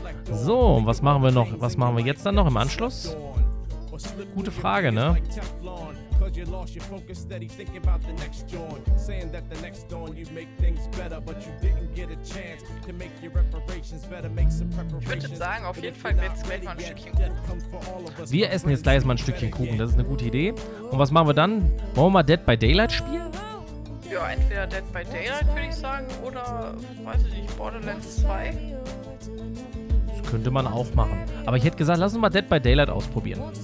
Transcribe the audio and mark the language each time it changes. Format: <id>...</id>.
<de>So, was machen wir noch? Was machen wir jetzt dann noch im Anschluss? Gute Frage, ne?</de> <en>Cause you lost your focus steady, thinking about the next joint. Saying that the next dawn you'd make things better, but you didn't get a chance to make your reparations better, make some preparations.</en> <de>Ich würde sagen, auf jeden Fall wird's mal ein Stückchen Kuchen. Wir essen jetzt gleich mal ein Stückchen Kuchen, das ist eine gute Idee. Und was machen wir dann? Wollen wir mal Dead by Daylight spielen? Ja, entweder Dead by Daylight, würde ich sagen, oder, weiß ich nicht, Borderlands 2. Das könnte man auch machen. Aber ich hätte gesagt, lass uns mal Dead by Daylight ausprobieren.</de>